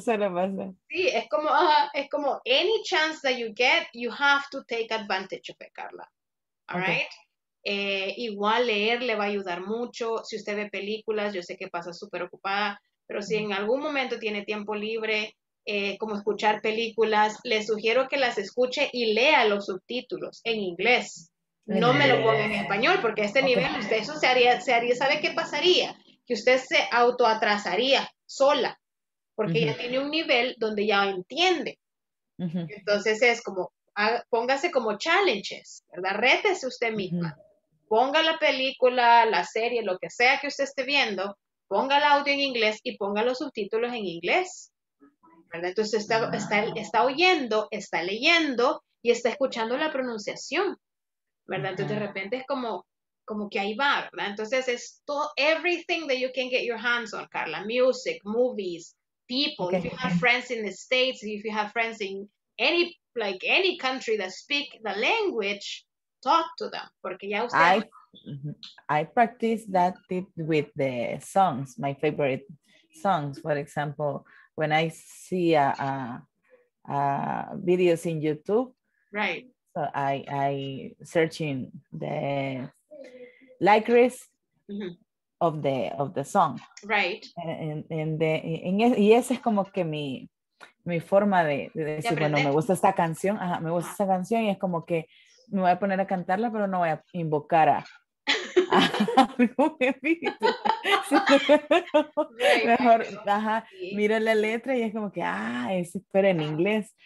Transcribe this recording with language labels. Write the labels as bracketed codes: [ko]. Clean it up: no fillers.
[es] Sí, es como, [en] any chance that you get, you have to take advantage of it, Carla. All right? [es] Igual leer le va a ayudar mucho. Si usted ve películas, yo sé que pasa súper ocupada, pero si en algún momento tiene tiempo libre, como escuchar películas, le sugiero que las escuche y lea los subtítulos en inglés. No me lo ponga en español, porque a este nivel usted eso se haría, ¿sabe qué pasaría? Que usted se autoatrasaría sola, porque ya tiene un nivel donde ya entiende. Entonces es como, póngase como challenges, ¿verdad? Rétese usted misma. Ponga la película, la serie, lo que sea que usted esté viendo, ponga el audio en inglés y ponga los subtítulos en inglés, ¿verdad? Entonces está oyendo, está leyendo y está escuchando la pronunciación, ¿verdad? Entonces de repente es como que ahí va, ¿verdad? Entonces es todo, [en] everything that you can get your hands on, Carla, music, movies, people, okay. If you have friends in the States, if you have friends in any country that speak the language, talk to them, [es] porque ya usted... [en] I practice that tip with the songs, my favorite songs. For example, when I see videos in YouTube, right? So I searching the lyrics of the song, right? [es] Y ese es como que mi forma de decir, bueno, me gusta esta canción, esta canción, y es como que me voy a poner a cantarla, pero no voy a invocar a mejor, ajá, mira la letra y es como que, es pero en inglés.